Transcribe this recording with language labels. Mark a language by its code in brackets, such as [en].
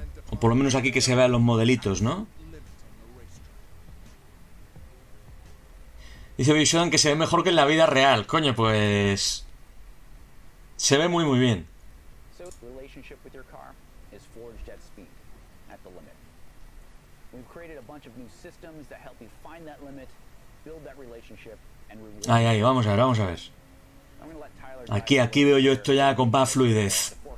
[es] O por lo menos aquí que se vean los modelitos, ¿no? Dice Vision que se ve mejor que en la vida real. Coño, pues se ve muy muy bien. [en] So, the relationship with your car is forged at speed, at the limit. We've created a bunch of new systems that help you find that limit, build that relationship, and reward. [es] Ay, ay, vamos a ver, vamos a ver. Aquí, aquí veo yo esto ya con más fluidez.